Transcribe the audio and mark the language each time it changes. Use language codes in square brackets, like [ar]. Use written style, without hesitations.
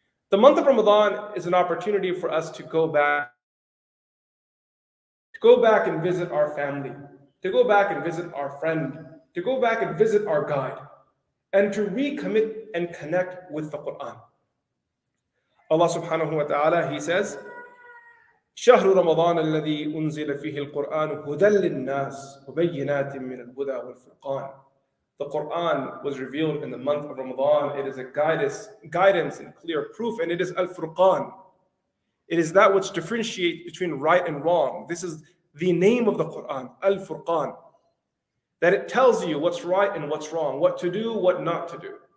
[en] The month of Ramadan is an opportunity for us to go back and visit our family, to go back and visit our friend, to go back and visit our guide, and to recommit and connect with the Quran. Allah subhanahu wa ta'ala, He says, [ar] شهر رمضان الذي أنزل فيه القرآن هدى للناس وبينات من الهدى والفرقان. [en] The Quran was revealed in the month of Ramadan. It is a guidance and clear proof, and it is al-Furqan. It is that which differentiates between right and wrong. This is the name of the Quran, al-Furqan, that it tells you what's right and what's wrong, what to do, what not to do.